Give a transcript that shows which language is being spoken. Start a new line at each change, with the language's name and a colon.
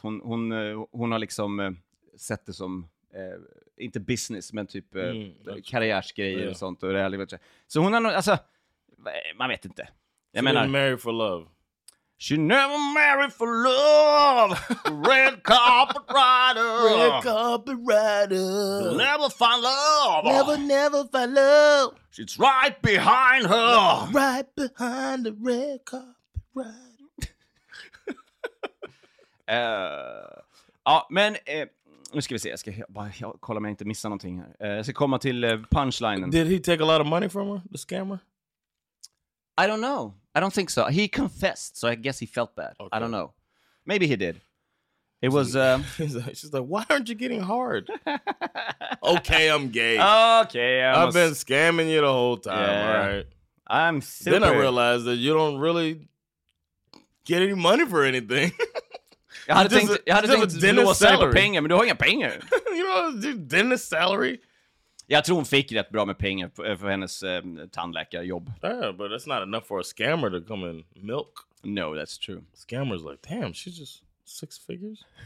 Swedish: Hon har liksom sett det som, inte business, men typ karriärsgrejer och sånt. Och det är, så hon har, alltså, man vet inte. Jag
English: she
Swedish: menar,
English: married for love. She never married for love. Red carpet rider. Red carpet rider. Never find love. Never find love. She's right behind her. Right behind the red carpet rider.
Swedish: Ja, men nu ska vi se. Jag ska bara kolla om jag inte missar någonting här. Jag ska komma till punchlinen.
English: Did he take a lot of money from her, the scammer? I don't know. I don't think so. He confessed, so I guess he felt bad. Okay. I don't know. Maybe he did. It was she's like, "Why aren't you getting hard?" Okay, I'm gay. Okay, I've been scamming you the whole time, yeah. All right. I'm super. Then I realized that you don't really get any money for anything.
Swedish: Jag hade tänkt låsa på pengar, men du har inga pengar.
English: You know, Dennis salary.
Swedish: Jag tror hon fick rätt bra med pengar för hennes tandläkarjobb.
English: Yeah, but that's not enough for a scammer to come and milk. No, that's true. Scammer's like, damn, she's just six figures.